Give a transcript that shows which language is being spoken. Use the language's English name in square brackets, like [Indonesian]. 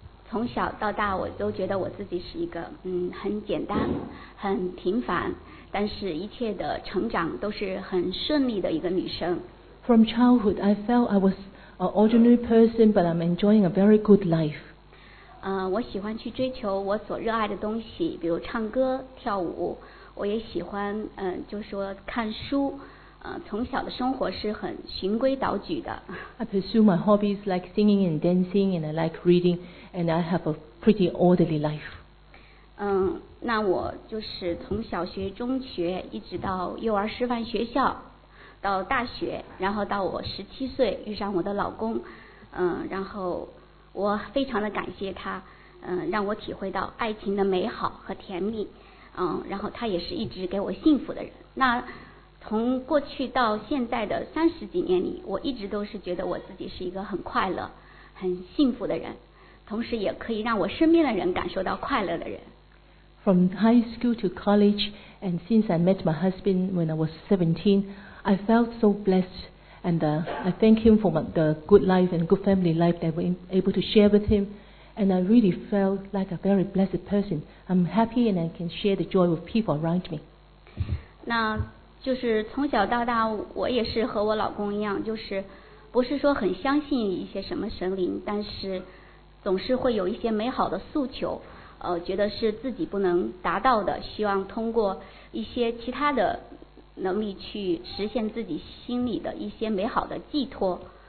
[Chinese] 从小到大，我都觉得我自己是一个很简单、很平凡，但是一切的成长都是很顺利的一个女生。 [English] From childhood, I felt I was an ordinary person, but I'm enjoying a very good life. [Chinese] 我喜欢去追求我所热爱的东西，比如唱歌、跳舞。我也喜欢就说看书。从小的生活是很循规蹈矩的。 [English] I pursue my hobbies like singing and dancing, and I like reading, and I have a pretty orderly life. [Chinese] 那我就是从小学、中学，一直到幼儿师范学校，到大学，然后到我17岁遇上我的老公，然后我非常的感谢他，让我体会到爱情的美好和甜蜜，然后他也是一直给我幸福的人。那从过去到现在的30几年里，我一直都是觉得我自己是一个很快乐、很幸福的人，同时也可以让我身边的人感受到快乐的人。 [English] From high school to college, and since I met my husband when I was 17, I felt so blessed, and I thank him for the good life and good family life that we're able to share with him, and I really felt like a very blessed person. I'm happy and I can share the joy with people around me. [Chinese] 那就是从小到大，我也是和我老公一样，就是不是说很相信一些什么神灵，但是总是会有一些美好的诉求。觉得是自己不能达到的，希望通过一些其他的能力去实现自己心里的一些美好的寄托。